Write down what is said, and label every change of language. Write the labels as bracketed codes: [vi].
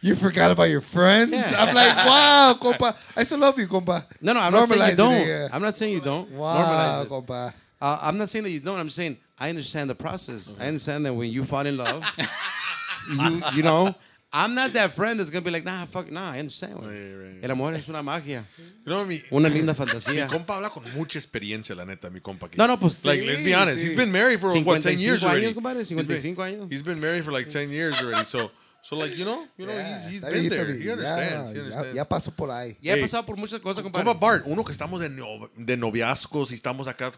[en] You forgot about your friends? Yeah. I'm like, wow, compa. I still love you, compa. No, no, I'm not saying you don't. I'm not saying you don't. Wow, compa. I'm not saying that you don't. I'm saying I understand the process. Okay. I understand that when you fall in love, you know, I'm not that friend that's going to be like, nah, fuck, nah, I understand. Right, right. [es] El amor es una magia. No, una linda fantasía. Mi compa habla con mucha experiencia, la neta, mi compa. No, no, pues. [en] Like, [es] sí, [en] let's be honest. [es] Sí. [en] He's been married for, what, 10 years [es] años, [en] already? [es] 55 años. [en] He's been married for like 10 years already. So like, you know, yeah, he's been there. He understands. [es] Ya pasó por ahí. Ya ha pasado por muchas cosas, compadre. Compa Bart, uno que estamos de noviazgos y estamos acá con